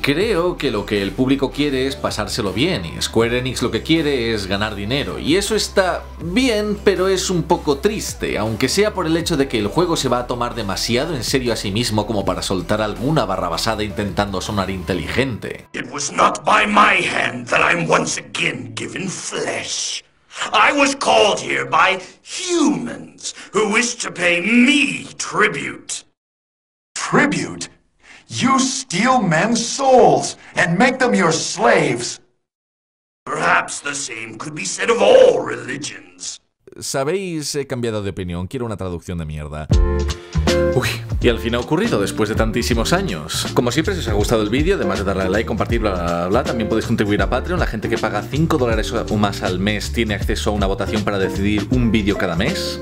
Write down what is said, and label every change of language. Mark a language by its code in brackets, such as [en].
[es] Creo que lo que el público quiere es pasárselo bien y Square Enix lo que quiere es ganar dinero. Y eso está bien, pero es un poco triste, aunque sea por el hecho de que el juego se va a tomar demasiado en serio a sí mismo como para soltar alguna barrabasada intentando sonar inteligente. [en] It was not by my hand that I'm once again given flesh. I was called here by humans who wish to pay me tribute. Tribute? You steal men's souls and make them your slaves. Perhaps the same could be said of all religions. [es] Sabéis, he cambiado de opinión. Quiero una traducción de mierda. Uy, y al fin ha ocurrido, después de tantísimos años. Como siempre, si os ha gustado el vídeo, además de darle a like, compartirlo, bla, bla, bla, también podéis contribuir a Patreon. La gente que paga $5 o más al mes tiene acceso a una votación para decidir un vídeo cada mes.